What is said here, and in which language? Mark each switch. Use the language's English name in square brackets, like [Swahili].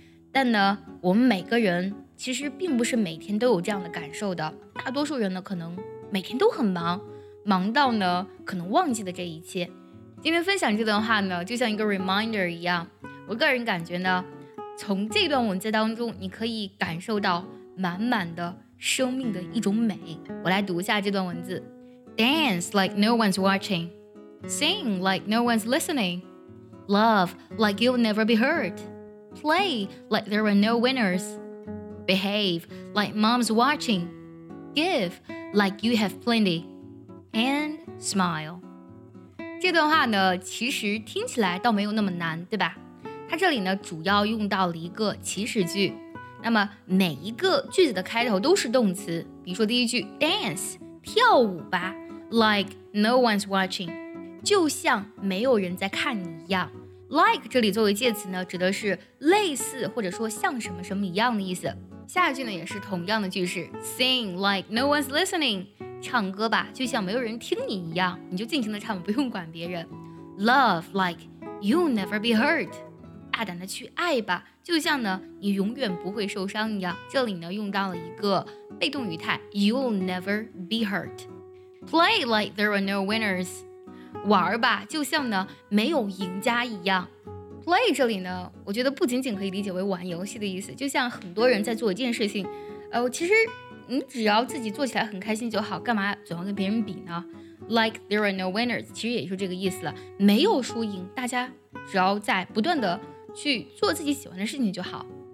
[Chinese] 但呢，我们每个人其实并不是每天都有这样的感受的，大多数人呢可能每天都很忙，忙到呢可能忘记了这一切。今天分享这段话呢，就像一个 reminder 一样，我个人感觉呢，从这段文字当中你可以感受到满满的生命的一种美。我来读一下这段文字。 [English] Dance like no one's watching. Sing like no one's listening. Love like you'll never be hurt. Play like there are no winners. Behave like mom's watching. Give like you have plenty. And smile. [Chinese] 这段话呢，其实听起来倒没有那么难，对吧？它这里呢，主要用到了一个祈使句。那么每一个句子的开头都是动词，比如说第一句 dance 跳舞吧， [English] like no one's watching [Chinese] 就像没有人在看你一样。 like 这里作为介词呢，指的是类似或者说像什么什么一样的意思。下一句呢也是同样的句式， [English] sing like no one's listening [Chinese] 唱歌吧，就像没有人听你一样，你就尽情的唱，不用管别人。 [English] love like you'll never be hurt [Chinese] 大胆的去爱吧，就像呢你永远不会受伤一样。这里呢用到了一个被动语态， [English] You'll never be hurt. Play like there are no winners. [Chinese] 玩吧，就像呢没有赢家一样。Play 这里呢，我觉得不仅仅可以理解为玩游戏的意思，就像很多人在做一件事情，其实你只要自己做起来很开心就好，干嘛总要跟别人比呢？ [English] Like there are no winners [Chinese] 其实也就这个意思了，没有输赢，大家只要在不断的去做自己喜欢的事情就好。